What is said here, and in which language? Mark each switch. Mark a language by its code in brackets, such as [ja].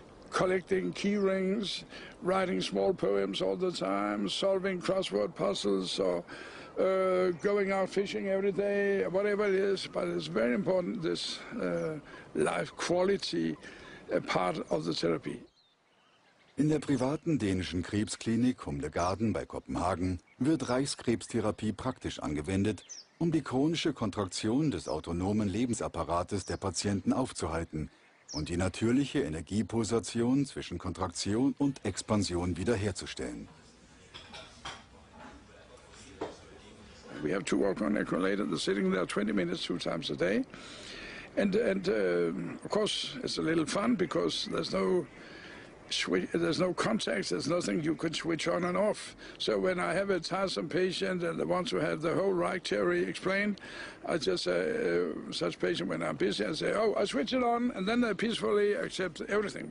[en] Collecting key rings, writing small poems all the time, solving crossword puzzles, or going out fishing every day, whatever it is, but it's very important, this life quality, a part of the therapy. [de] In der privaten dänischen Krebsklinik Humle Garden bei Kopenhagen wird Reichskrebstherapie praktisch angewendet, um die chronische Kontraktion des autonomen Lebensapparates der Patienten aufzuhalten und die natürliche Energiepulsation zwischen Kontraktion und Expansion wiederherzustellen. [en] We have to work on equilibrium. The sitting there 20 minutes two times a day. And of course it's a little fun because there's no contact, there's nothing you could switch on and off. So when I have a tiresome patient and the ones who have the whole Reich theory explained, I just say, such patient when I'm busy, I say, oh, I switch it on, and then they peacefully accept everything.